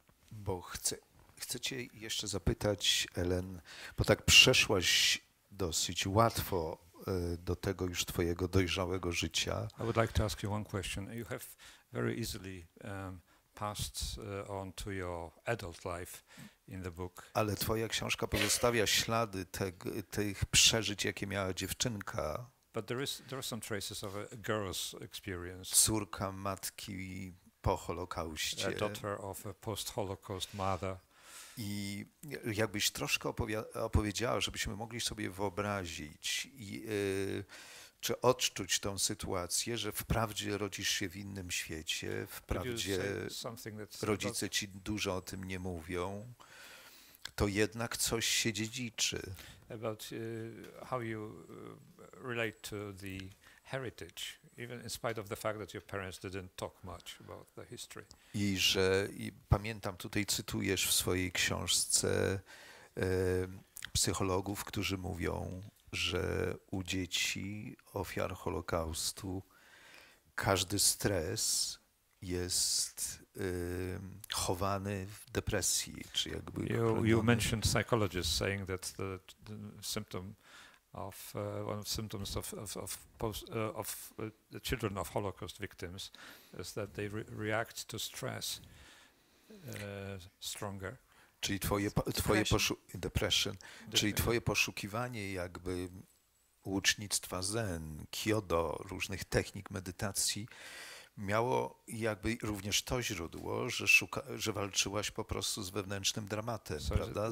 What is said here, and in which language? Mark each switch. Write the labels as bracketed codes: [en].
[pl] Bo chcę cię jeszcze zapytać, Ellen, bo tak przeszłaś dosyć łatwo do tego już twojego dojrzałego życia. [en] I would like to ask you one question. You have very easily passed on to your adult life. In the book. [pl] Ale twoja książka pozostawia ślady tych przeżyć, jakie miała dziewczynka. [en] But there are some traces of a girl's experience. [pl] Córka matki po Holokauście. [en] A daughter of a post-Holocaust mother. [pl] I jakbyś troszkę opowiedziała, żebyśmy mogli sobie wyobrazić. czy odczuć tą sytuację, że wprawdzie rodzisz się w innym świecie, wprawdzie rodzice ci dużo o tym nie mówią, to jednak coś się dziedziczy. [en] About how you relate to the heritage, even in spite of the fact that your parents didn't talk much about the history. [pl] I że i pamiętam, tutaj cytujesz w swojej książce psychologów, którzy mówią, że u dzieci ofiar Holokaustu każdy stres jest chowany w depresji, czy jakby [en] you mentioned psychologists saying that the symptom of one of symptoms of the children of Holocaust victims is that they react to stress stronger. [pl] Czyli twoje depression. Czyli twoje poszukiwanie jakby łucznictwa zen, kyodo, różnych technik medytacji miało jakby również to źródło, że walczyłaś po prostu z wewnętrznym dramatem, so prawda?